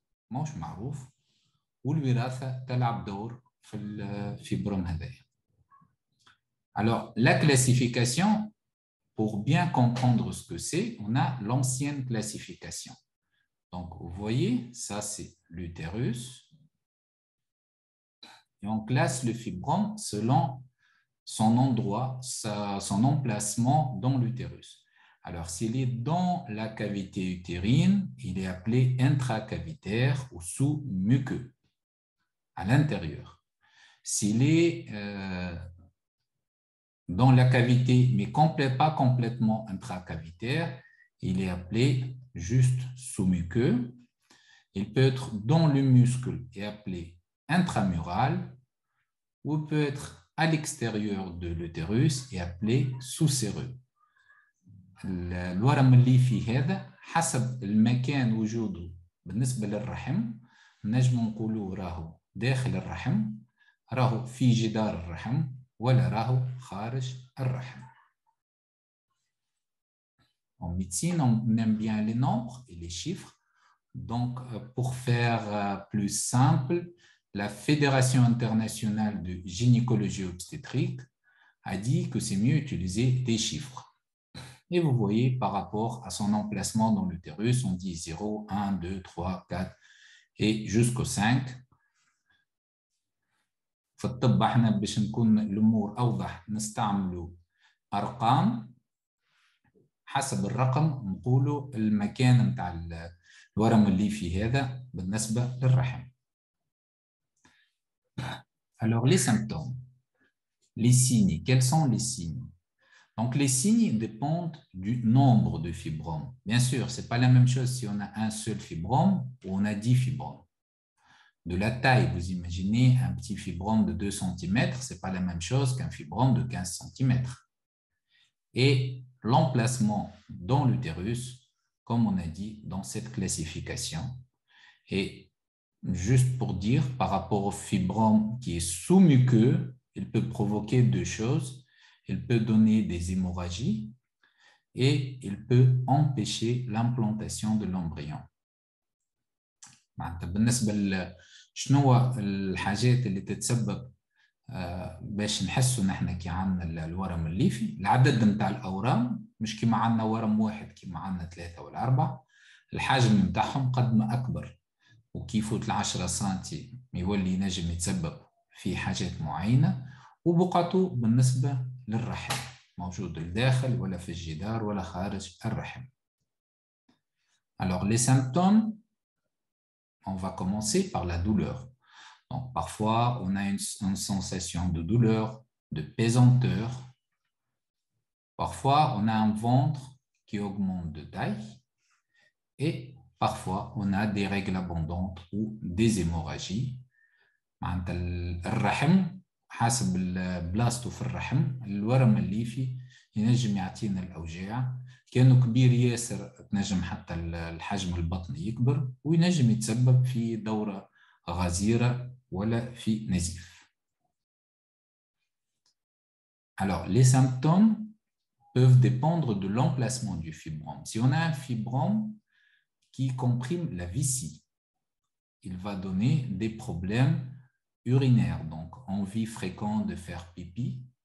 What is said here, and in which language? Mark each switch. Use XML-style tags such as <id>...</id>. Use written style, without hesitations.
<ar>ماهوش معروف والوراثة تلعب دور في الفيبروم هذايا.</ar> <fr>Alors la classification, pour bien comprendre ce que c'est, on a l'ancienne classification. Donc vous voyez, ça c'est l'utérus. Et on classe le fibrome selon son endroit, son emplacement dans l'utérus. Alors, s'il est dans la cavité utérine, il est appelé intracavitaire ou sous-muqueux, à l'intérieur. S'il est dans la cavité, mais pas complètement intracavitaire, il est appelé juste sous-muqueux. Il peut être dans le muscle et appelé intramural, ou peut être à l'extérieur de l'utérus et appelé sous-séreux.</fr> <ar>الورم اللي في هذا حسب المكان وجوده بالنسبة للرحم نجم نقوله راهو داخل الرحم راهو في جدار الرحم ولا راهو خارج الرحم.</ar> <fr>En médecine, on aime bien les nombres et les chiffres. Donc, pour faire plus simple, la Fédération internationale de gynécologie obstétrique a dit que c'est mieux utiliser des chiffres. Et vous voyez, par rapport à son emplacement dans l'utérus, on dit 0, 1, 2, 3, 4 et jusqu'au 5.</fr> <ar>فالطب احنا باش نكون الامور اوضح نستعملوا ارقام حسب الرقم نقولوا المكان نتاع الورم اللي في هذا بالنسبه للرحم.</ar> <fr>Alors les symptômes, les signes, quels sont les signes? Donc, les signes dépendent du nombre de fibromes. Bien sûr, ce n'est pas la même chose si on a un seul fibrome ou on a 10 fibromes. De la taille, vous imaginez un petit fibrome de 2 cm, ce n'est pas la même chose qu'un fibrome de 15 cm. Et l'emplacement dans l'utérus, comme on a dit dans cette classification. Et juste pour dire, par rapport au fibrome qui est sous-muqueux, il peut provoquer deux choses. Il peut donner des hémorragies et il peut empêcher l'implantation de l'embryon.</fr> <ar>بالنسبة لشنو هو الحاجات اللي تتسبب باش نحسوا نحن كي عندنا الورم الليفي، العدد نتاع الاورام مش كيما عندنا ورم واحد كيما عندنا ثلاثة ولا أربعة، الحجم نتاعهم قد ما أكبر وكيفوت 10 سنتي يولي ينجم يتسبب في حاجات معينة وبقاته بالنسبة للرحم موجود الداخل ولا في الجدار ولا خارج الرحم.</ar> <fr>Alors, les symptômes, on va commencer par la douleur. Donc, parfois, on a une sensation de douleur, de pesanteur. Parfois, on a un ventre qui augmente de taille. Et parfois, on a des règles abondantes ou des hémorragies.</fr> <ar>عند الرحم حاسب بلاصتو في الرحم الورم اللي فيه ينجم يعطينا الأوجاع كأنه كبير ياسر تنجم حتى الحجم البطني يكبر وينجم يتسبب في دورة غزيرة ولا في نزيف.</ar> <fr>Alors, les symptômes peuvent dépendre de l'emplacement du fibrome. Si on a un fibrome qui comprime la vessie, il va donner des problèmes urinaire, donc envie fréquente de faire pipi.</fr>